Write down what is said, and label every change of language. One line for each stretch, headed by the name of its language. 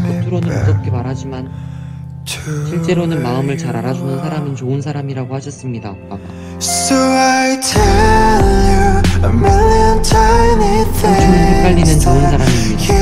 Korean: 겉으로는 무섭게 말하지만 실제로는 마음을 잘 알아주는 사람은 좋은 사람이라고 하셨습니다, 아빠.
English: So I tell you a million tiny things.
Korean: 엄청 헷갈리는 좋은 사람입니다.